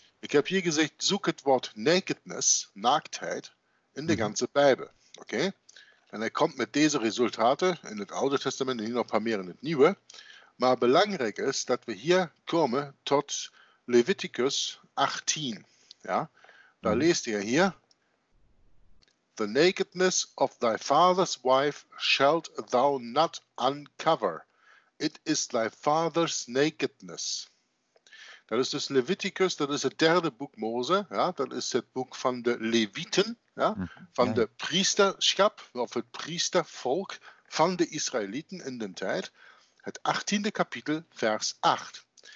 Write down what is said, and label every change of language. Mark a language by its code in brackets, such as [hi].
[nl] Ik heb hier gezegd, zoek het woord nakedness, naaktheid, in de ganze Bijbel. Oké? Okay? En hij komt met deze resultaten in het Oude Testament en hier nog een paar meer in het Nieuwe. Maar belangrijk is dat we hier komen tot Leviticus 18. Ja? Daar leest hij hier. [en] The nakedness of thy father's wife shalt thou not uncover. It is thy father's nakedness. [nl] Dat is dus Leviticus, dat is het derde boek Mose. Ja? Dat is het boek van de Leviten, ja? Van de priesterschap, of het priestervolk van de Israëlieten in den tijd. Het 18e kapitel, vers 8.